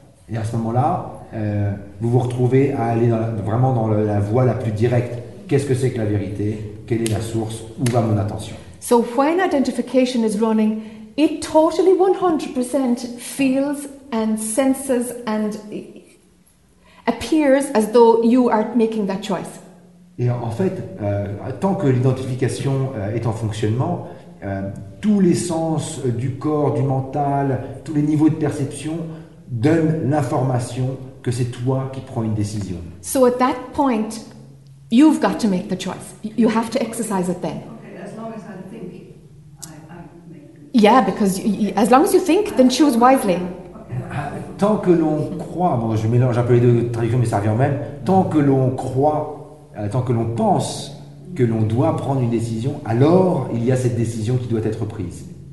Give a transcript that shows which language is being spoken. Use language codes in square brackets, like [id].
[fr] Et à ce moment-là, vous vous retrouvez à aller vraiment dans la voie la plus directe. Qu'est-ce que c'est que la vérité? Quelle est la source? Où va mon attention? [en] So when identification is running, it totally 100% feels and senses and appears as though you are making that choice. [fr] Et en fait, tant que l'identification est en fonctionnement, tous les sens du corps, du mental, tous les niveaux de perception donnent l'information que c'est toi qui prends une décision. [en] So at that point, you've got to make the choice. You have to exercise it then. Okay, as long as I'm thinking, I'm making. Yeah, because as long as you think, then choose wisely. [fr] Tant que l'on croit, bon, je mélange un peu les deux traductions, mais ça revient même. Tant que l'on croit, tant que l'on pense que l'on doit prendre une décision, alors il y a cette décision qui doit être prise.